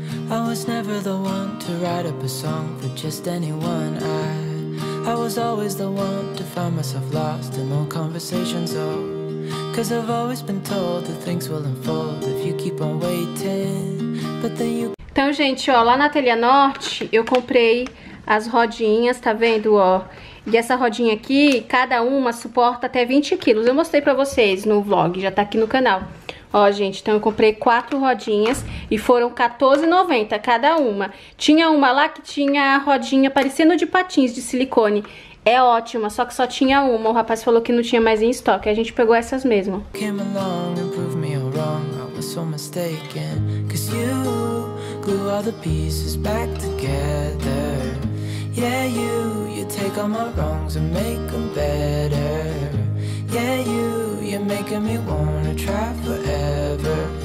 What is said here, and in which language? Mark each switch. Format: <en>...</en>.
<en>I was never the one to write up a song for just anyone. I was always the one to find myself lost in long conversations. Oh, 'cause I've always been told that things will unfold if you keep on waiting. But then you...</en> <pt>Então, gente, ó, lá na Ateliê Norte eu comprei as rodinhas, tá vendo, ó? E essa rodinha aqui, cada uma suporta até 20 quilos. Eu mostrei pra vocês no vlog, já tá aqui no canal. Ó, gente, então eu comprei 4 rodinhas e foram R$14,90 cada uma. Tinha uma lá que tinha a rodinha parecendo de patins, de silicone. É ótima, só que só tinha uma. O rapaz falou que não tinha mais em estoque. A gente pegou essas mesmo.</pt> <en>Came along and proved me all wrong. I was so mistaken. 'Cause you glue all the pieces back together. Yeah, you take all my wrongs and make them better. Yeah, you're making me wanna try forever.</en>